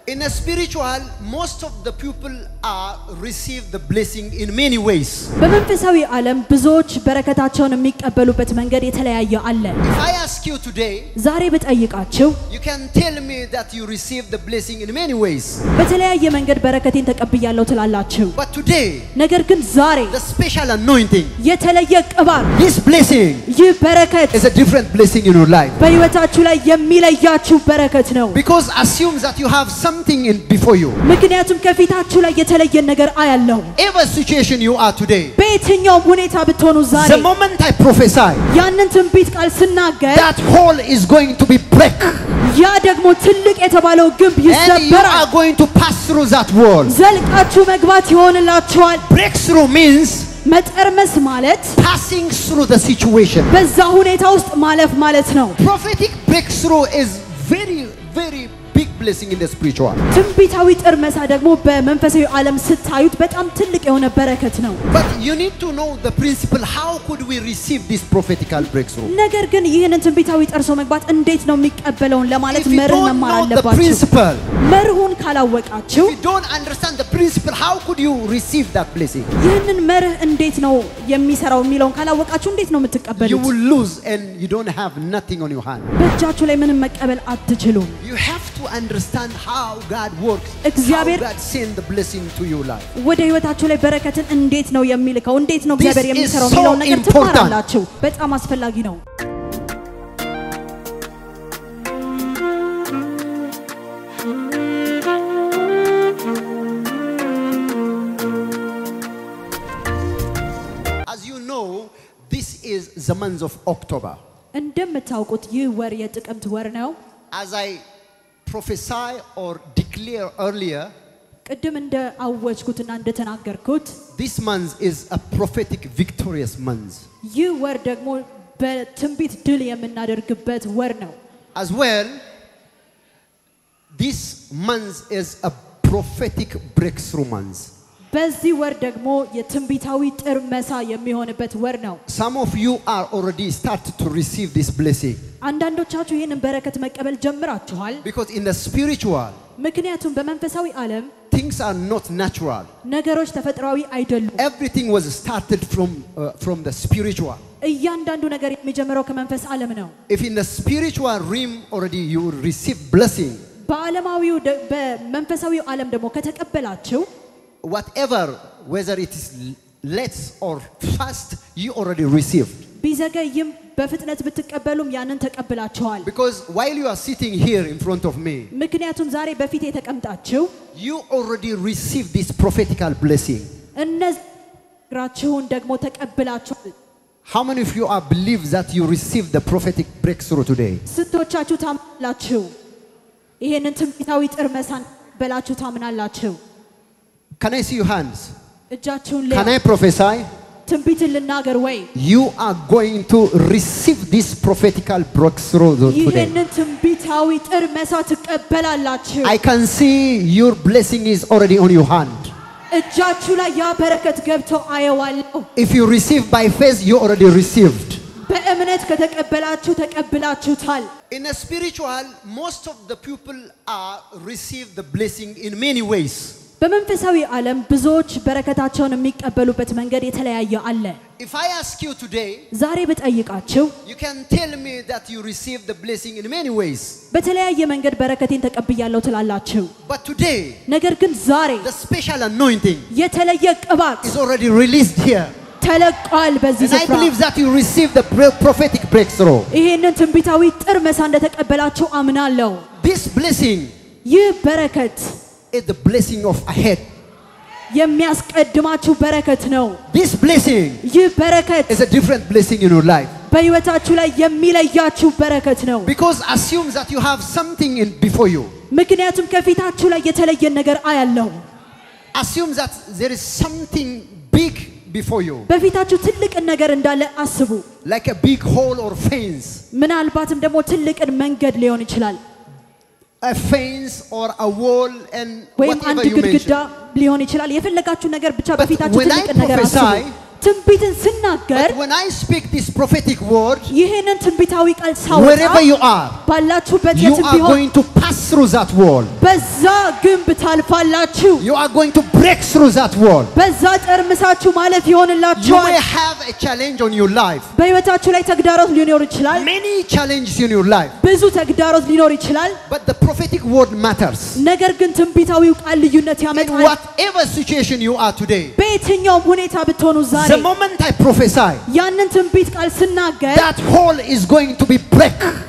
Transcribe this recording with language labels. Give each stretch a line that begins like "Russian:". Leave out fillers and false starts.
English: In a spiritual, most of the people are receive the blessing in many ways.
Amharic: በመንፈሳዊ ዓለም ብዙዎች በረከታቸውን የሚቀበሉበት መንገድ የተለያየ አለ።
English: If I ask you today,
Amharic: ዛሬ በጠይቃችሁ,
English: you can tell me that you receive the blessing in many ways.
Amharic: በተለያየ መንገድ በረከቴን ተቀብያለሁ ትላላችሁ.
English: But today,
Amharic: ነገር ግን ዛሬ,
English: the special anointing,
Amharic: የተለየ ቅባት,
English: this blessing,
Amharic: ይህ በረከት,
English: is a different blessing in your life.
Amharic: በሕይወታችሁ ላይ የሚለያችሁ በረከት ነው.
English: Because assumes that you have something in before you.
Amharic: ምክንያቱም ከፊታችሁ ላይ የተለየ ነገር አያለሁ.
English: Every situation you are today.
Amharic: በየትኛውም ሁኔታ ብትሆኑ ዛሬ.
English: The moment I prophesy.
Amharic: ያንን ትንቢት ቃል ስናገር.
English: That hole is going to be break.
Amharic: ያ ደግሞ ትልቅ የተባለው ግንብ ይሰበራል.
English: And you are going to pass through that wall.
Amharic: ዘልቃችሁ መግባት ይሆንላችኋል.
English: Breakthrough means
Amharic: መጥርመስ ማለት
English: passing through the situation.
Amharic: በዛ ሁኔታ ውስጥ ማለፍ ማለት ነው.
English: Prophetic breakthrough is very very blessing in the spiritual.
Amharic: ትንቢታዊ ጥርመሳ ደግሞ በመንፈሳዊ ዓለም ስታዩት በጣም ትልቅ የሆነ በረከት ነው.
English: But you need to know the principle, how could we receive this prophetical breakthrough?
Amharic: ነገር ግን ይህን ትንቢታዊ ጥርሶ መግባት እንዴት ነው የሚቀበለውን ለማለት መርህ መማር አለባችሁ.
English: The principle.
Amharic: መርሁን ካላወቃችሁ,
English: if you don't understand the principle, how could you receive that blessing?
Amharic: ይህንን መርህ እንዴት ነው የሚሰራው የሚለውን ካላወቃችሁ እንዴት ነው የምትቀበሉት?
English: You will lose and you don't have nothing on your hand.
Amharic: በእጃችሁ ላይ ምንም መቀበል አትችሉም.
English: You have to understand how God works, how God sends the blessing to your life.
Amharic: ወደ ህይወታችሁ ላይ በረከትን እንዴት ነው የሚልከው? እንዴት ነው እግዚአብሔር የሚሰራው? ምን ነው ነገር ትማራላችሁ? በጣም አስፈላጊ ነው.
English: As you know, this is the month of October.
Amharic: እንደምታውቁት ይህ ወር የጥቅምት ወር ነው.
English: As I prophesy or declare earlier,
Amharic: ቀደም እንደ አወጅኩትና እንደ ተናገርኩት,
English: this month is a prophetic victorious month.
Amharic: ይህ ወር ደግሞ በትንቢት ድል የምናደርግበት ወር ነው.
English: As well, this month is a prophetic breakthrough month.
Amharic: በዚህ ወር ደግሞ የትንቢታዊ ጥርመሳ የሚሆንበት ወር ነው.
English: Some of you are already start to receive this blessing.
Amharic: አንዳንዶቻችሁ ይህንን በረከት መቀበል ጀምራችኋል.
English: Because in the spiritual,
Amharic: ምክንያቱም በመንፈሳዊ ዓለም,
English: things are not natural.
Amharic: ነገሮች ተፈጥሯዊ አይደሉም.
English: Everything was started from the spiritual.
Amharic: እያንዳንዱ ነገር የሚጀምረው ከመንፈስ ዓለም ነው.
English: If in the spiritual realm already you receive blessing,
Amharic: በዓለማዊው በመንፈሳዊ ዓለም ደግሞ ከተቀበላችሁ,
English: whatever, whether it is late or fast, you already received.
Amharic: ቢዘገይም በፍጥነት ብትቀበሉም ያንን ተቀብላችኋል.
English: Because while you are sitting here in front of me,
Amharic: ምክንያቱም ዛሬ በፊቴ ተቀምጣችሁ,
English: you already received this prophetical blessing.
Amharic: እነግራችሁን ደግሞ ተቀብላችኋል.
English: How many of you are believe that you received the prophetic breakthrough today?
Amharic: ስትወጫችሁ ታምናላችሁ? ይሄንን ትንቢታዊ ጥርመሳን በላችሁ ታምናላችሁ?
English: Can I see your hands?
Amharic: እጃችሁን
English: ለ. Can I prophesy?
Amharic: ትንቢት ልናገር ወይ?
English: You are going to receive this prophetical breakthrough today.
Amharic: ይሄንን ትንቢታዊ ጥርመሳ ትቀበላላችሁ.
English: I can see your blessing is already on your hand.
Amharic: እጃችሁ ላይ ያ በረከት ገብቶ አየዋለሁ.
English: If you receive by faith, you already received.
Amharic: በእምነት ከተቀበላችሁ ተቀብላችሁታል.
English: In a spiritual, most of the people are receive the blessing in many ways.
Amharic: በመንፈሳዊ ዓለም ብዙዎች በረከታቸውን የሚቀበሉበት መንገድ የተለያየ አለ.
English: If I ask you today,
Amharic: ዛሬ በጠይቃችሁ,
English: you can tell me that you receive the blessing in many ways.
Amharic: በተለያየ መንገድ በረከቴን ተቀብያለሁ ትላላችሁ.
English: But today,
Amharic: ነገር ግን ዛሬ,
English: the special anointing,
Amharic: የተለየ ቅባት,
English: is already released here.
Amharic: ተለቋል በዚህ ስፍራ.
English: And I believe that you receive the prophetic breakthrough.
Amharic: ይሄንን ትንቢታዊ ጥርመሳ እንደተቀበላችሁ አምናለሁ.
English: This blessing,
Amharic: ይህ በረከት,
English: is the blessing of ahead.
Amharic: የሚያስቀድማችሁ በረከት ነው.
English: This blessing,
Amharic: ይህ በረከት,
English: is a different blessing in your life.
Amharic: በህይወታችሁ ላይ የሚለያችሁ በረከት ነው.
English: Because assumes that you have something in before you.
Amharic: ምክንያቱም ከፊታችሁ ላይ የተለየ ነገር አያለሁ.
English: Assumes that there is something big before you.
Amharic: በፊታችሁ ትልቅ ነገር እንዳለ አስቡ.
English: Like a big hole or fence.
Amharic: ምናልባትም ደግሞ ትልቅ መንገድ ሊሆን ይችላል.
English: A fence or a wall and whatever you mention.
Amharic: ሊሆን ይችላል የፈለጋችሁ ነገር ብቻ በፊታችሁ ትልቅ ነገር አስቡ. ትንቢትን ስናገር
English: when I speak this prophetic word
Amharic: ይሄንን ትንቢታዊ ቃል ሳወጣ
English: wherever you are
Amharic: ባላችሁበት የትም ቢሆን
English: you are going to pass through that wall
Amharic: በዛ ግንብ ታልፋላችሁ
English: you are going to break through that wall
Amharic: በዛ ጠርምሳችሁ ማለፍ ይሆንላችኋል
English: you may have a challenge on your life
Amharic: በህይወታችሁ ላይ ተግዳሮት ሊኖር ይችላል
English: many challenges in your life
Amharic: ብዙ ተግዳሮት ሊኖር ይችላል
English: but the prophetic word matters
Amharic: ነገር ግን ትንቢታዊው ቃል ልዩነት ያመጣል
English: whatever situation you are today
Amharic: በየትኛውም ሁኔታ ብትሆኑ ዛሬ
English: the moment I prophesy
Amharic: ያንን ትንቢት ቃል ስናገር
English: that hole is going to be break